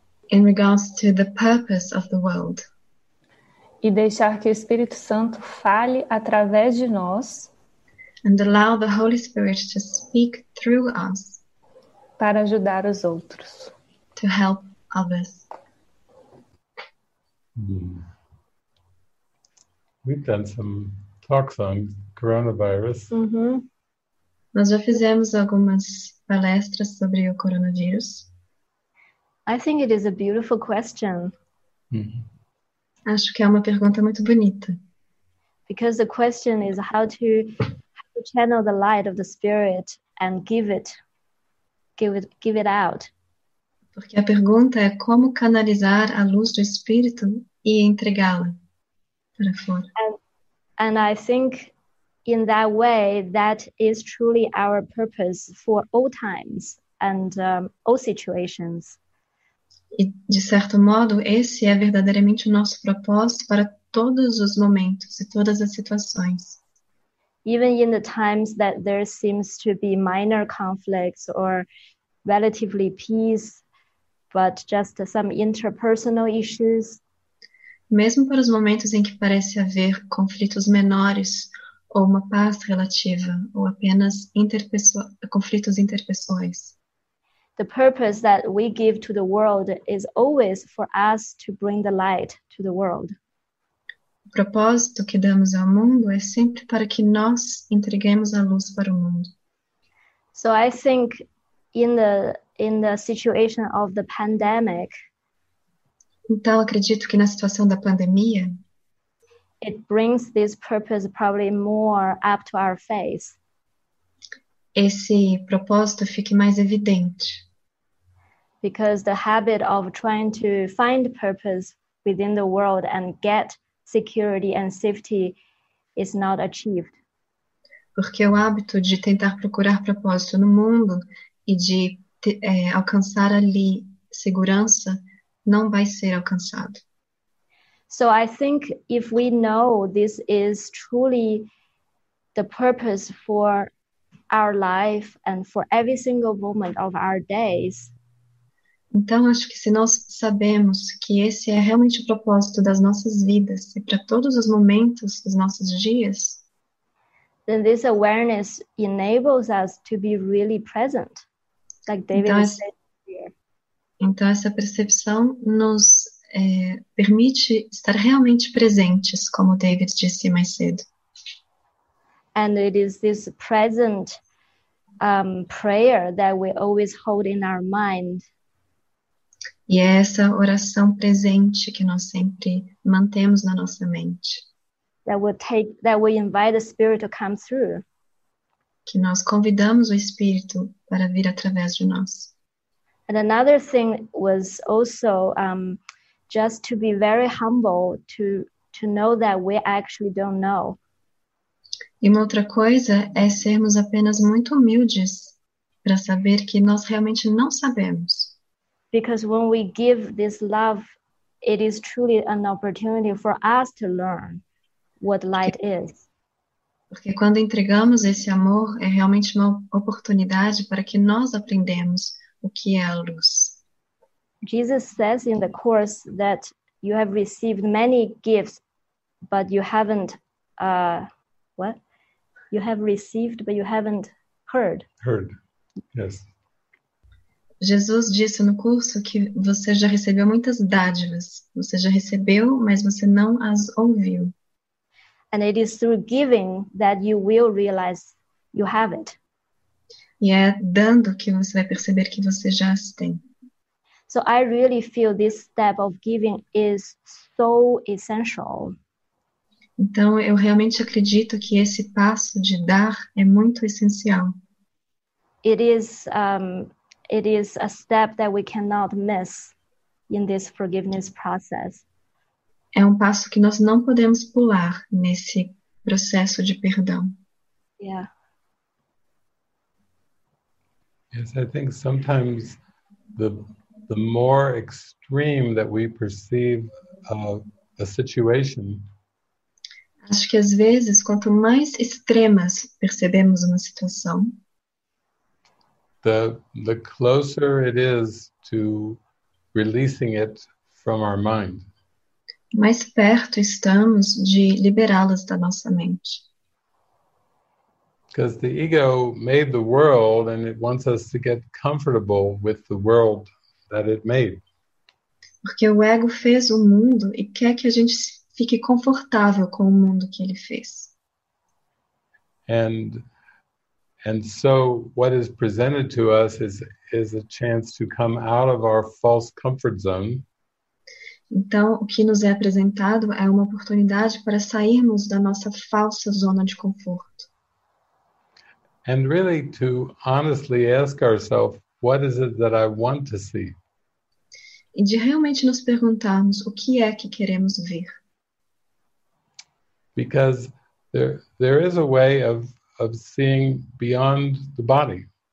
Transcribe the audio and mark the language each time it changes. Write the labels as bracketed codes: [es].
[en] in regards to the purpose of the world, [pt] e deixar que o Espírito Santo fale através de nós, [en] and allow the Holy Spirit to speak through us, [pt] para ajudar os outros, [en] to help others. We've done some talks on coronavirus. Mm-hmm. [pt] Nós já fizemos algumas palestras sobre o coronavírus. [en] I think it is a beautiful question. Mm-hmm. [pt] Acho que é uma pergunta muito bonita. [en] Because the question is how to channel the light of the spirit and give it out. [pt] Porque a pergunta é como canalizar a luz do espírito e entregá-la para fora. [en] And I think in that way, that is truly our purpose for all times and all situations. [pt] E, de certo modo, esse é verdadeiramente o nosso propósito para todos os momentos e todas as situações. [en] Even in the times that there seems to be minor conflicts or relatively peace, but just some interpersonal issues. [pt] Mesmo para os momentos em que parece haver conflitos menores ou uma paz relativa, ou apenas conflitos interpessoais. [en] The purpose that we give to the world is always for us to bring the light to the world. [pt] O propósito que damos ao mundo é sempre para que nós entreguemos a luz para o mundo. [en] So I think in the situation of the pandemic, [pt] então, acredito que na situação da pandemia, [en] it brings this purpose probably more up to our face. [pt] Esse propósito fique mais evidente. [en] Because the habit of trying to find purpose within the world and get security and safety is not achieved. [pt] Porque o hábito de tentar procurar propósito no mundo e de alcançar ali segurança não vai ser alcançado. [en] So I think if we know this is truly the purpose for our life and for every single moment of our days. [pt] Então, acho que se nós sabemos que esse é realmente o propósito das nossas vidas e para todos os momentos dos nossos dias, [en] then this awareness enables us to be really present, like David was saying here. [pt] Então, essa percepção nos permite estar realmente presentes, como David disse mais cedo. [en] And it is this present prayer that we always hold in our mind. [pt] E é essa oração presente que nós sempre mantemos na nossa mente. [en] That we invite the spirit to come through. [pt] Que nós convidamos o espírito para vir através de nós. [en] And another thing was also just to be very humble to know that we actually don't know. [pt] E uma outra coisa é sermos apenas muito humildes para saber que nós realmente não sabemos. [en] Because when we give this love, it is truly an opportunity for us to learn what light is. [pt] Porque quando entregamos esse amor, é realmente uma oportunidade para que nós aprendemos o que é a luz. [en] Jesus says in the course that you have received many gifts, but you haven't, what? You have received, but you haven't heard. Heard, yes. [pt] Jesus disse no curso que você já recebeu muitas dádivas. Você já recebeu, mas você não as ouviu. [en] And it is through giving that you will realize you have it. [pt] E é dando que você vai perceber que você já as tem. [en] So I really feel this step of giving is so essential. [pt] Então, eu realmente acredito que esse passo de dar é muito essencial. [en] It is a step that we cannot miss in this forgiveness process. [pt] É um passo que nós não podemos pular nesse processo de perdão. Yeah. [en] Yes, I think sometimes the more extreme that we perceive of a situation. [pt] Acho que às vezes, quanto mais extremas percebemos uma situação, [en] the closer it is to releasing it from our mind. [pt] Mais perto estamos de liberá-las da nossa mente. [en] Because the ego made the world and it wants us to get comfortable with the world that it made. [pt] Porque o ego fez o mundo e quer que a gente fique confortável com o mundo que ele fez. [en] And so what is presented to us is a chance to come out of our false comfort zone. [pt] Então, o que nos é apresentado é uma oportunidade para sairmos da nossa falsa zona de conforto. [en] And really to honestly ask ourselves, what is it that I want to see? [pt] E de realmente nos perguntarmos o que é que queremos ver. [en] Because there is a way of seeing beyond the body.